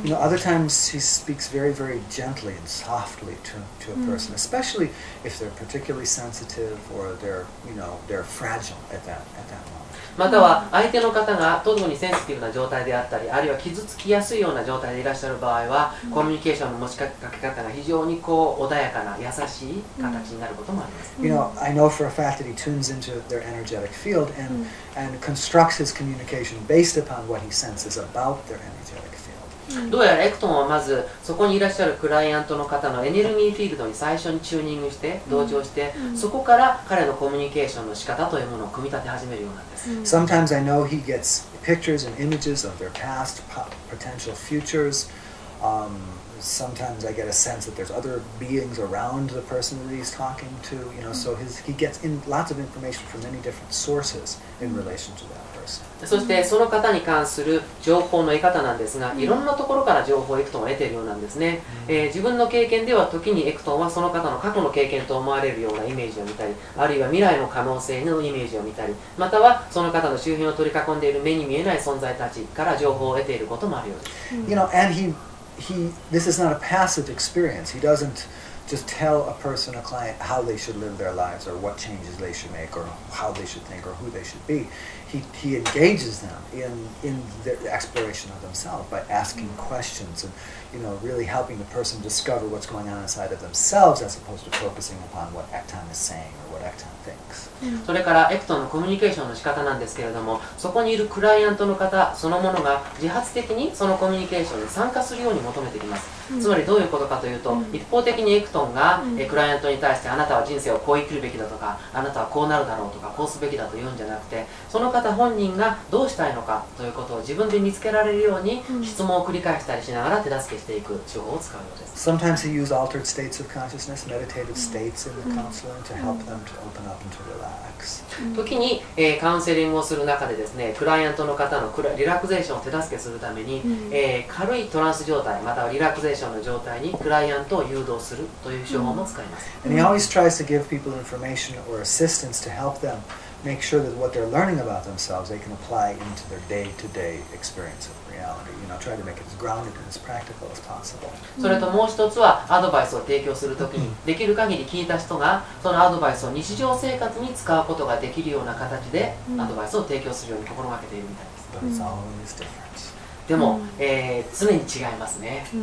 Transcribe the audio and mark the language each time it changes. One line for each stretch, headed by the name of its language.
English: Other times he speaks very, very gently and softly to a person, especially if they're particularly sensitive or they're fragile at that moment.
Japanese: または相手の方が特にセンシティブな状態であったり、あるいは傷つきやすいような状態でいらっしゃる場合は、コミュニケーションの持ちかけ方が非常にこう穏やかな優しい形になることもあります。
English: I know for a fact that he tunes into their energetic field and constructs his communication based upon what he senses about their energetic field.
Japanese: どうやらエクトンはまずそこにいらっしゃるクライアントの方のエネルギーフィールドに最初にチューニングして同調して、そこから彼のコミュニケーションの仕方というものを組み立て始めるようなんです。
English: Sometimes I know he gets pictures and images of their past, potential futures. Sometimes I get a sense that there's other beings around the person that he's talking to. So he gets in lots of information from many different sources in relation to that person.
Japanese: そしてその方に関する情報の得方なんですが、いろんなところから情報をエクトンは得ているようなんですね。自分の経験では時にエクトンはその方の過去の経験と思われるようなイメージを見たり、あるいは未来の可能性のイメージを見たり、またはその方の周辺を取り囲んでいる目に見えない存在たちから情報を得ていることもあるようです。
English: And he this is not a passive experience. He doesn't just tell a person, a client, how they should live their lives or what changes they should make or how they should think or who they should be. He engages them in the exploration of themselves by asking questions and really helping the person discover what's going on inside of themselves as opposed to focusing upon what Ecton is saying or what Ecton thinks.
Japanese: それからエクトンのコミュニケーションの仕方なんですけれども、そこにいるクライアントの方そのものが自発的にそのコミュニケーションに参加するように求めてきます。つまりどういうことかというと、一方的にエクトンがクライアントに対してあなたは人生をこう生きるべきだとか、あなたはこうなるだろうとか、こうすべきだと言うんじゃなくて、その方本人がどうしたいのかということを自分で見つけられるように質問を繰り返したりしながら手助けしていく手法を使うようです。
English: Sometimes he uses altered states of consciousness, meditative states in the counseling to help them to open up and to relax.
Japanese: 時に、カウンセリングをする中でですね、クライアントの方のリラクゼーションを手助けするために、軽いトランス状態またはリラクゼーションの状態にクライアントを誘導するという手法も使います。
English: And he always tries to give people information or assistance to help themMake sure that what they're learning about themselves, they can apply into their day-to-day experience of reality. Try to make it as grounded and as practical as possible.
Japanese: それともう一つはアドバイスを提供するときにできる限り聞いた人がそのアドバイスを日常生活に使うことができるような形でアドバイスを提供するように心がけているみたいです。
English: But it's always different.
Japanese: でも、常に違いますね。